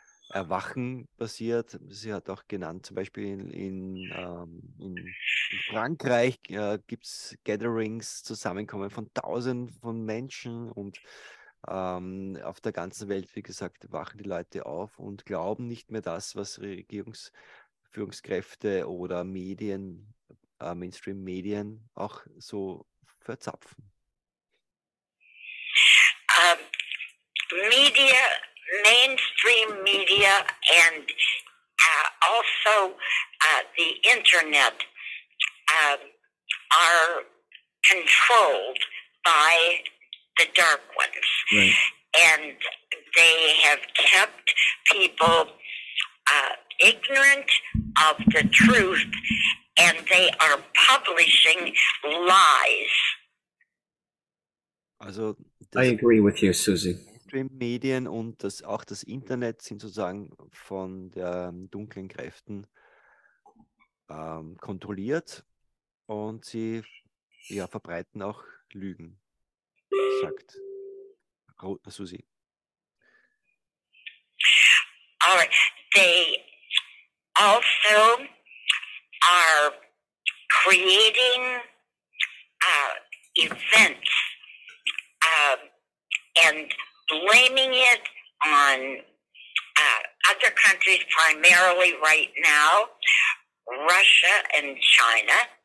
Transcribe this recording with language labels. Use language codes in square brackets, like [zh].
[de] Erwachen passiert. Sie hat auch genannt, zum Beispiel in Frankreich gibt es Gatherings, Zusammenkommen von Tausenden von Menschen und auf der ganzen Welt, wie gesagt, wachen die Leute auf und glauben nicht mehr das, was Regierungsführungskräfte oder Medien, Mainstream-Medien auch so verzapfen. [en] Media, Mainstream Media and also the Internet are controlled by the Dark Ones. Right. And they have kept people ignorant of the truth, and they are publishing lies. Also, I agree with you, Susie. [de] Medien und das, auch das Internet sind sozusagen von den dunklen Kräften kontrolliert und sie ja, verbreiten auch Lügen, sagt Susi. [en] They also are creating events and blaming it on other countries, primarily right now, Russia and China.